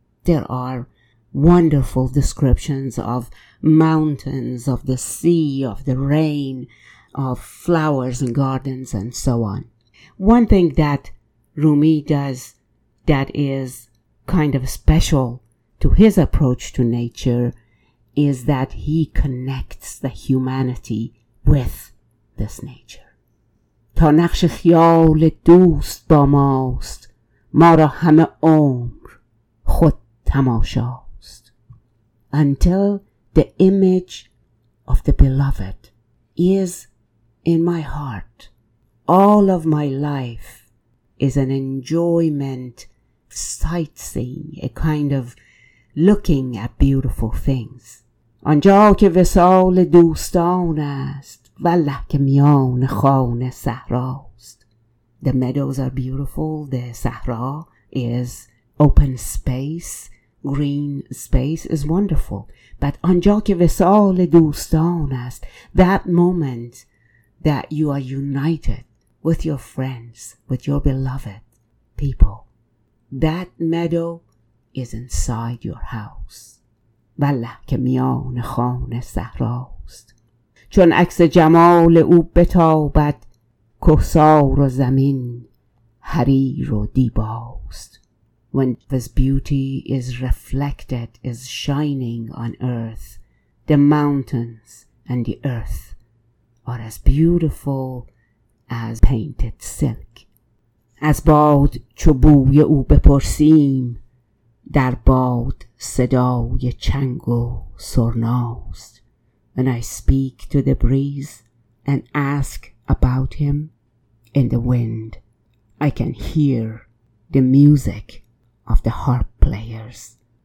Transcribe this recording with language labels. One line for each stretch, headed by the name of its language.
English: There are wonderful descriptions of mountains, of the sea, of the rain, of flowers and gardens, and so on. One thing that Rumi does that is kind of special to his approach to nature is that he connects the humanity with this nature.
Persian: تا نقش خیال دوست با ماست ما را همه عمر خود تماشاست.
English: Until the image of the beloved is in my heart, all of my life is an enjoyment sightseeing, a kind of looking at beautiful things.
Persian: آنجا که وصال دوستان است والله که میان خانه صحراست.
English: The meadows are beautiful. The Sahara is open space. Green space is wonderful. But
Persian: آنجا که وصال دوستان است,
English: that moment that you are united with your friends, with your beloved people, that meadow is inside your house.
Persian: والله که میان خانه صحراست. چون عکس جمال او بتابد کوهسار و زمین حریر و دیباست.
English: When this beauty is reflected, is shining on earth, the mountains and the earth are as beautiful as painted silk.
Persian: از باد چو بوی او بپرسیم در باد صدای چنگ و سرناست.
English: When I speak to the breeze and ask about him in the wind, I can hear the music of the harp players.